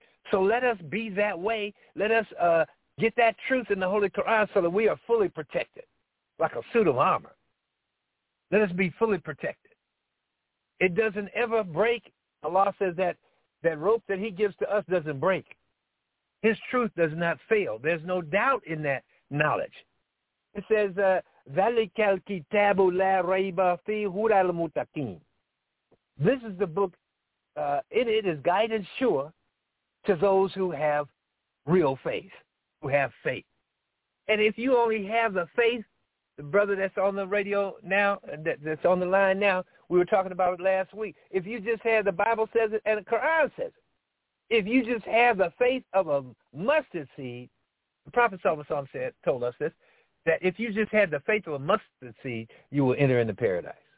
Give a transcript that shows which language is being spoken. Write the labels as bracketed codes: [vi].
[en] So let us be that way. Let us get that truth in the Holy Quran so that we are fully protected, like a suit of armor. Let us be fully protected. It doesn't ever break. Allah says that that rope that he gives to us doesn't break. His truth does not fail. There's no doubt in that knowledge. [ar] It says, ذَلِكَ الْكِتَابُ لَا رَيْبَ فِي هُرَى الْمُتَقِينَ. [en] This is the book. In it is guidance sure to those who have real faith, who have faith. And if you only have the faith, the brother that's on the radio now, that's on the line now, we were talking about it last week. If you just have the Bible says it and the Quran says it. If you just have the faith of a mustard seed, the Prophet said, told us this, that if you just had the faith of a mustard seed, you will enter into paradise.